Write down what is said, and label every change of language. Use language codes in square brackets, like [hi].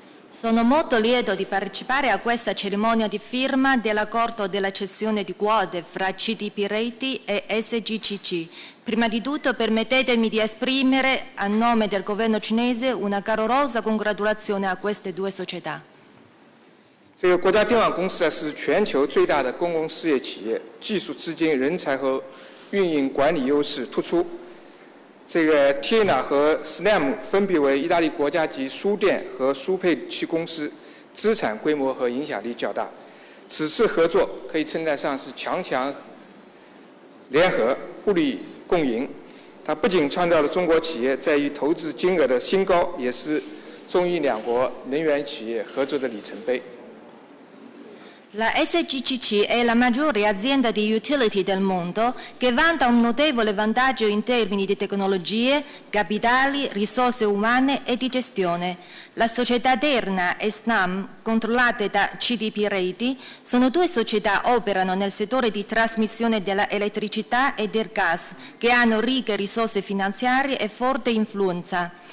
[it] Sono molto lieto di partecipare a questa cerimonia di firma dell'accordo della cessione di quote fra CTP Reti e SGCC. Prima di tutto permettetemi di esprimere a nome del governo cinese una calorosa congratulazione a queste due società. [zh] Questo国家电网公司是全球最大的公共事业企业，技术、资金、人才和运营管理优势突出。 TINA和SNAM 分别为意大利国家级输电和输配器公司，资产规模和影响力较大。此次合作可以称得上是强强联合、互利共赢。它不仅创造了中国企业在于投资金额的新高，也是中意两国能源企业合作的里程碑。 [it] La SGCC è la maggiore azienda di utility del mondo che vanta un notevole vantaggio in termini di tecnologie, capitali, risorse umane e di gestione. La società Terna e SNAM, controllate da CDP Reti, sono due società che operano nel settore di trasmissione dell'elettricità e del gas, che hanno ricche risorse finanziarie e forte influenza.